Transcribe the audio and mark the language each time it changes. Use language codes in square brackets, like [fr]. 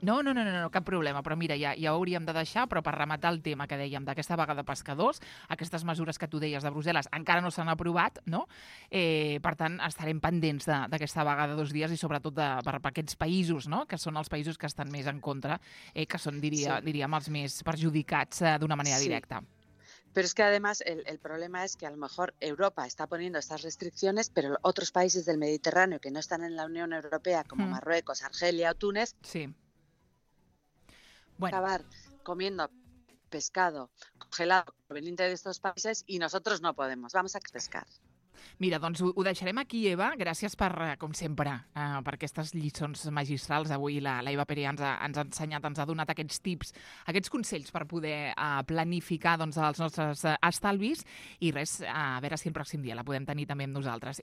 [ca] No, cap problema, però mira, ja ho hauríem de deixar, però per rematar el tema que dèiem d'aquesta vaga de pescadors, aquestes mesures que tu deies de Brussel·les encara no s'han aprovat, no? Per tant, estarem pendents d'aquesta vaga de dos dies i sobretot per aquests països, no?, que són els països que estan més en contra, que són, diríem, els més perjudicats d'una manera directa. [es] Pero es que además el problema es que a lo mejor Europa está poniendo estas restricciones, pero otros países del Mediterráneo que no están en la Unión Europea, como Marruecos, Argelia o Túnez, sí. Bueno. Acabar comiendo pescado congelado proveniente de estos países y nosotros no podemos, vamos a pescar. [ca] Mira, doncs ho deixarem aquí, Eva. Gràcies per, com sempre, per aquestes lliçons magistrals. Avui la Eva Pere ens ha ensenyat, ens ha donat aquests tips, aquests consells per poder planificar doncs, els nostres estalvis. I res, a veure si el pròxim dia la podem tenir també amb nosaltres.